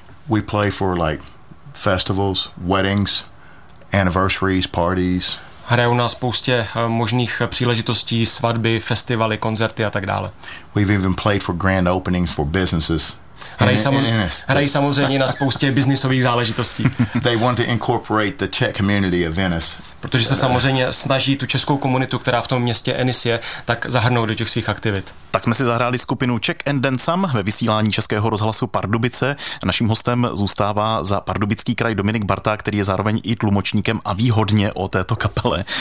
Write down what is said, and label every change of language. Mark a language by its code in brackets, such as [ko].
[en] We play for like festivals, weddings, anniversaries, parties. [cs] Hrajou na spoustě možných příležitostí, svatby, festivaly, koncerty a tak dále. [en] We've even played for grand openings for businesses. [cs] Hrají samozřejmě na spoustě biznisových záležitostí. [en] They want to incorporate the Czech community of Venice. [cs] Protože se samozřejmě snaží tu českou komunitu, která v tom městě Ennis je, tak zahrnout do těch svých aktivit. Tak jsme si zahráli skupinu Czech and Dancem ve vysílání Českého rozhlasu Pardubice. Naším hostem zůstává za Pardubický kraj Dominik Barta, který je zároveň i tlumočníkem a ví hodně o této kapele.